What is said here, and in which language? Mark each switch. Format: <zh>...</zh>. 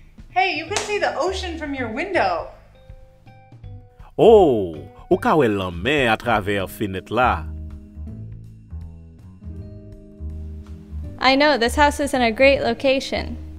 <en>Hey, you can see the ocean from your window.</en> <gcf>Oh, ou ka wè la mer à travers fenêtre là.</gcf> <en>I know this house is in a great location.</en>